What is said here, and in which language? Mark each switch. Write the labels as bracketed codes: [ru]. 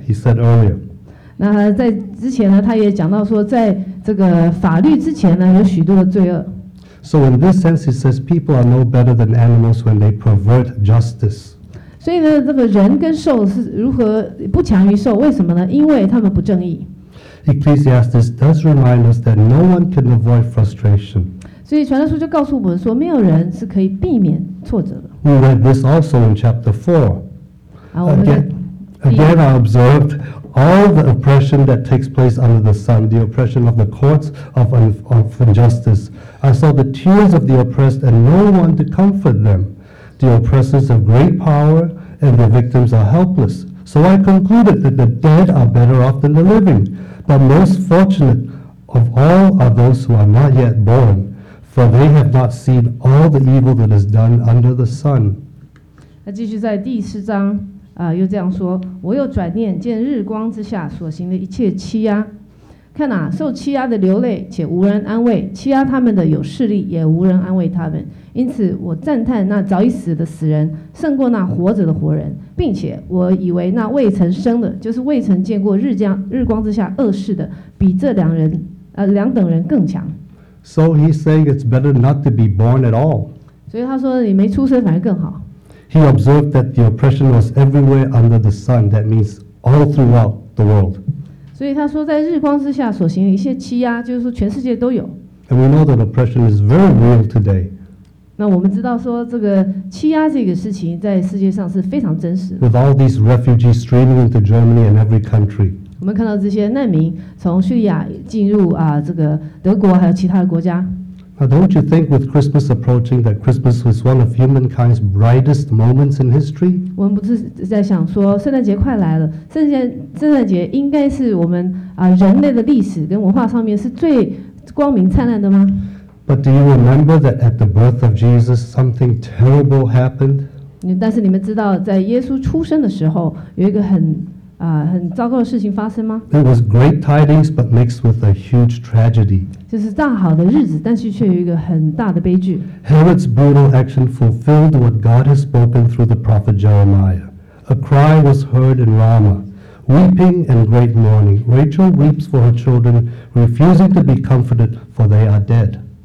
[en] He said earlier. [zh] 那在之前呢，他也讲到说，在这个法律之前呢，有许多的罪恶。 [en] So in this sense, he says people are no better than animals when they pervert justice. [zh] 所以呢，这个人跟兽是如何不强于兽？为什么呢？因为他们不正义。 [en] Ecclesiastes does remind us that no one can avoid frustration. [zh] 所以传道书就告诉我们说，没有人是可以避免挫折的。 [en] We read this also in chapter 4. Again, I observed all the oppression that takes place under the sun, the oppression of the courts of injustice. I saw the tears of the oppressed and no one to comfort them. The oppressors have great power, and the victims are helpless. So I concluded that the dead are better off than the living. But most fortunate of all are those who are not yet born, for they have not seen all the evil that is done under the sun. [zh] 那继续在第四章又这样说，我又转念见日光之下所行的一切欺压，看啊，受欺压的流泪，且无人安慰；欺压他们的有势力，也无人安慰他们。因此，我赞叹那早已死的死人，胜过那活着的活人，并且我以为那未曾生的，就是未曾见过日光之下恶事的，比这两人两等人更强。 [en] So he's saying it's better not to be born at all. [zh] 所以他说你没出生反而更好。 [en] He observed that the oppression was everywhere under the sun. That means all throughout the world. [zh] 所以他说在日光之下所行的一些欺压，就是说全世界都有。 [en] And we know that oppression is very real today. [zh] 那我们知道说这个欺压这个事情在世界上是非常真实的。 [en] With all these refugees streaming into Germany and every country. [zh] 我们看到这些难民从叙利亚进入啊，这个德国还有其他的国家。 [en] Now, don't you think with Christmas approaching that Christmas was one of humankind's brightest moments in history? [zh] 我们不是在想说圣诞节快来了，圣诞节应该是我们啊人类的历史跟文化上面是最光明灿烂的吗 [en] ？But do you remember that at the birth of Jesus, something terrible happened? [zh] 但是你们知道，在耶稣出生的时候，有一个很糟糕的事情发生吗 [en] ？It was great tidings, but mixed with a huge tragedy. [zh] 就是大好的日子，但是却有一个很大的悲剧。 [en] Herod's brutal action fulfilled what God has spoken through the prophet Jeremiah. A cry was heard in Ramah, weeping and great mourning. Rachel weeps for her children, refusing to be comforted, for they are dead.